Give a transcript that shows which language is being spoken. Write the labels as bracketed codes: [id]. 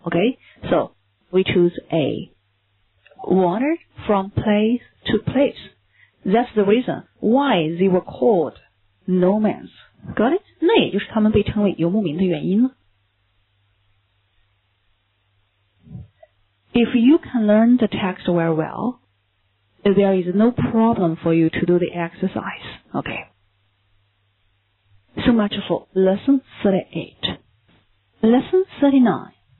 [en] OK, so we choose A. Wandered from place to place. That's the reason why they were called nomads. Got it? [zh] 那也就是他们被称为游牧民的原因了。 [en] If you can learn the text very well, there is no problem for you to do the exercise. OK. So much for lesson 38. Lesson 39.